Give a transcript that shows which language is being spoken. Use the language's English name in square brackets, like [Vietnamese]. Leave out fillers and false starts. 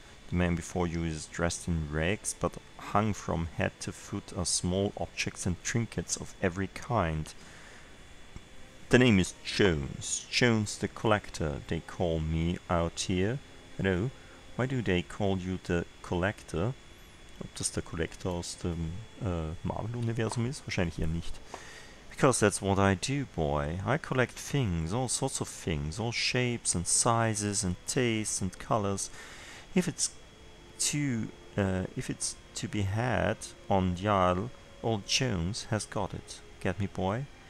[English] The man before you is dressed in rags, but hung from head to foot are small objects and trinkets of every kind. The name is Jones. Jones the Collector, they call me out here. Hello. Why do they call you the Collector? [German] Ob das der Collector aus dem Marvel-Universum ist? Wahrscheinlich eher nicht. [English] Because that's what I do, boy. I collect things, all sorts of things, all shapes and sizes and tastes and colors. If it's to be had on Yarl, old Jones has got it. Get me, boy?